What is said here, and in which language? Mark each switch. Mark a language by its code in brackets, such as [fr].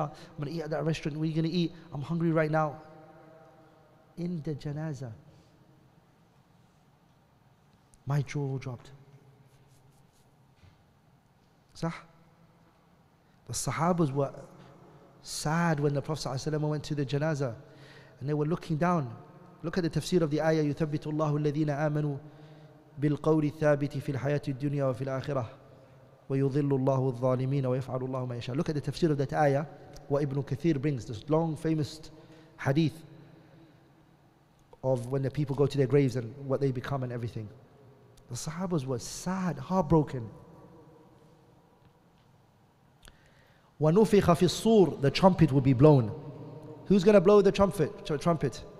[en] I'm going to eat at that restaurant. What are you going to eat? I'm hungry right now. In the janazah, my jaw dropped. Sah? The Sahabas were sad when the Prophet ﷺ went to the janazah and they were looking down. Look at the tafsir of the ayah, [ar] يُثَبِّتُ اللَّهُ الَّذِينَ آمَنُوا بِالْقَوْلِ الثَّابِتِ فِي الْحَيَاةِ الدُّنْيَا وَفِي الْآخِرَةِ وَيُضِلُّ اللَّهُ الظَّالِمِينَ وَيَفْعَلُ اللَّهُ مَا يَشَاءُ. [en] Look at the tafsir of that ayah, what Ibn Kathir brings, this long famous hadith of when the people go to their graves and what they become and everything. The Sahabas were sad, heartbroken. [ar] وَنُفِخَ فِي الصُّورِ, [en] the trumpet will be blown. Who's going to blow the trumpet?